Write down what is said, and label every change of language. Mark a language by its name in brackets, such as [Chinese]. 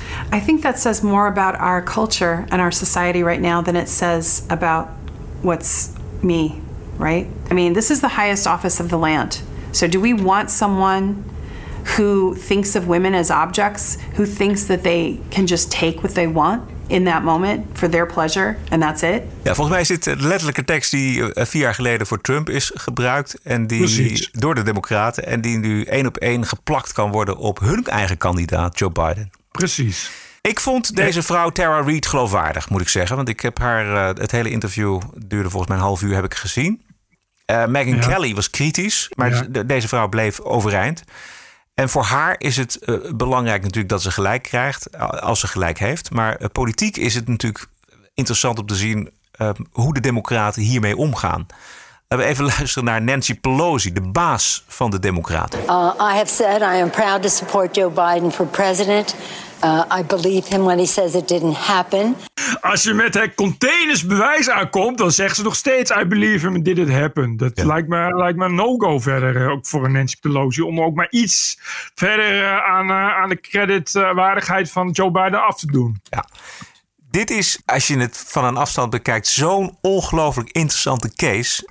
[English] I think that says more about our culture and our society right now than it says about what's me, right? I mean, this is the highest office of the land. So do we want someone who thinks of women as objects, who thinks that they can just take what they want in that moment for their pleasure and that's it? [Dutch] Ja, volgens mij is dit de letterlijke tekst die 4 jaar geleden voor Trump is gebruikt en die door de Democraten en die nu 1 op 1 geplakt kan worden op hun eigen kandidaat Joe Biden. Precies. Ik vond deze vrouw Tara Reid geloofwaardig, moet ik zeggen, want ik heb haar het hele interview duurde volgens mij een half uur heb ik gezien. Megyn Kelly was kritisch, maar deze vrouw bleef overeind. En voor haar is het belangrijk natuurlijk dat ze gelijk krijgt, als ze gelijk heeft. Maar politiek is het natuurlijk interessant om te zien hoe de Democraten hiermee omgaan. Laten we even luisteren naar Nancy Pelosi, de baas van de Democraten. [English] I have said I am proud to support Joe Biden for president. I believe him when he says it didn't happen. [Dutch] Als je met haar containers bewijs aankomt, dan zegt ze nog steeds, [English] I believe him, did it happen. [Dutch] Dat lijkt me een no-go verder, ook voor een Nancy Pelosi, om ook maar iets verder aan de creditwaardigheid van Joe Biden af te doen. Ja. Dit is, als je het van een afstand bekijkt, zo'n ongelooflijk interessante case.